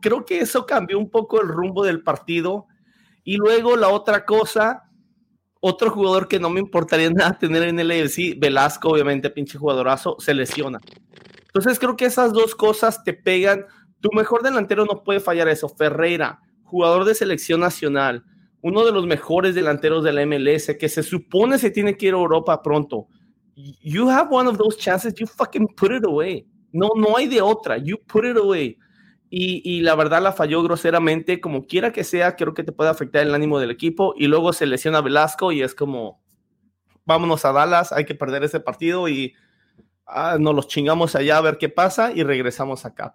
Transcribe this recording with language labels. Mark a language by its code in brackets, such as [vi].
[es] Creo que eso cambió un poco el rumbo del partido. Y luego la otra cosa, otro jugador que no me importaría nada tener en el AFC, Velasco, obviamente, pinche jugadorazo, se lesiona. Entonces creo que esas dos cosas te pegan. Tu mejor delantero no puede fallar eso. Ferreira, jugador de selección nacional, uno de los mejores delanteros de la MLS, que se supone se tiene que ir a Europa pronto. [en] You have one of those chances, you fucking put it away. [es] No, no hay de otra, [en] you put it away. [es] Y la verdad la falló groseramente, como quiera que sea, creo que te puede afectar el ánimo del equipo. Y luego se lesiona a Velasco y es como, vámonos a Dallas, hay que perder ese partido y nos los chingamos allá a ver qué pasa y regresamos acá.